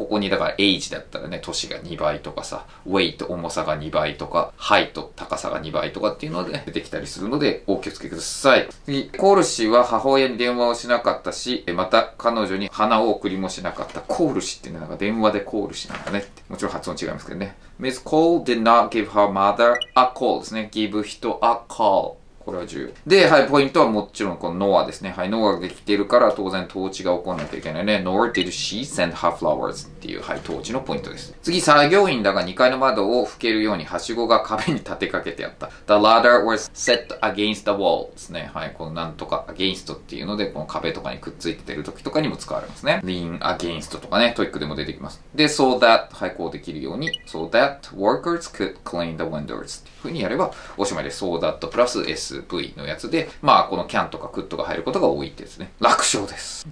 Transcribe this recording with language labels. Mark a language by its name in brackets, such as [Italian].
[Japanese] ここにだから age だったらね、年が2倍とかさ、 weight 重さが2倍とか、 height 高さが2倍とかっていうので、ね、出てきたりするのでお気をつけください。次、コール氏は母親に電話をしなかったし、また彼女に花を送りもしなかった。コール氏っていうのはなんか電話でコール氏なんだねって、もちろん発音違いますけどね。 [English] Miss Cole did not give her mother a call [Japanese] ですね。 give 人 a callこれは重要で、はい、ポイントはもちろんこの Noah ですね。はい、Noah ができているから当然統治が起こらなきゃいけないね。 [English] Nor did she send her flowers [Japanese] っていう、はい、統治のポイントです。次、作業員だが2階の窓を拭けるようにはしごが壁に立てかけてあった。 [English] The ladder was set against the wall [Japanese] ですね。はい、このなんとか against っていうので、この壁とかにくっついてる時とかにも使われますね。 Lean against とかね、トイックでも出てきます。で、 [English] So that、 はい、こうできるように、 So that workers could clean the windows [Japanese] っていう風にやればおしまいです。 So that プラス SV のやつで、まあこの can とか could が入ることが多いってですね、楽勝です。